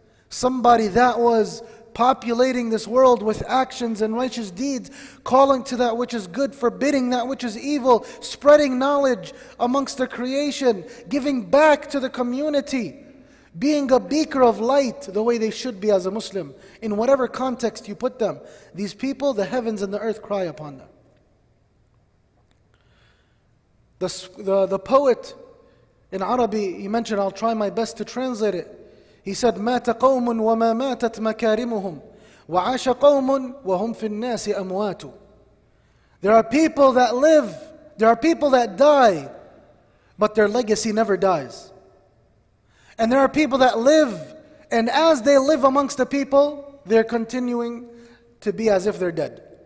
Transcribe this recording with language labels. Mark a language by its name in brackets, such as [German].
[English] Somebody that was populating this world with actions and righteous deeds, calling to that which is good, forbidding that which is evil, spreading knowledge amongst the creation, giving back to the community, being a beaker of light the way they should be as a Muslim, in whatever context you put them. These people, the heavens and the earth cry upon them. The poet in Arabic, he mentioned, I'll try my best to translate it. He said, [Arabic] مَاتَ قَوْمٌ وَمَا مَاتَتْ مَكَارِمُهُمْ وَعَاشَ قَوْمٌ وَهُمْ فِي النَّاسِ أَمْوَاتُ. [English] There are people that live, there are people that die, but their legacy never dies. And there are people that live, and as they live amongst the people, they're continuing to be as if they're dead.